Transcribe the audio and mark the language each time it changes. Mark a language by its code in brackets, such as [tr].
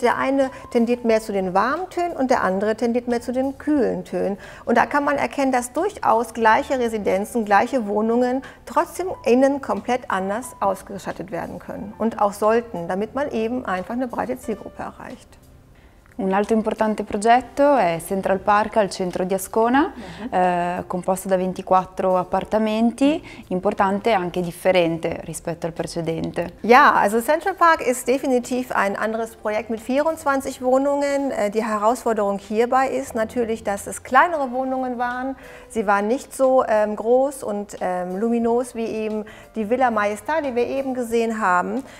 [de] Der eine tendiert mehr zu den warmen Tönen und der andere tendiert mehr zu den kühlen Tönen. Und da kann man erkennen, dass durchaus gleiche Residenzen, gleiche Wohnungen trotzdem innen komplett anders ausgestattet werden können und auch sollten, damit man eben einfach eine breite Zielgruppe erreicht. [it] Un altro importante progetto è Central Park al centro di Ascona, composto da 24 appartamenti, importante e anche differente rispetto al precedente. [de] Ja, also Central Park ist definitiv ein anderes Projekt mit 24 Wohnungen. Die Herausforderung hierbei ist natürlich, dass es kleinere Wohnungen waren. Sie waren nicht so groß und luminos wie eben die Villa Maestà, die wir eben gesehen haben.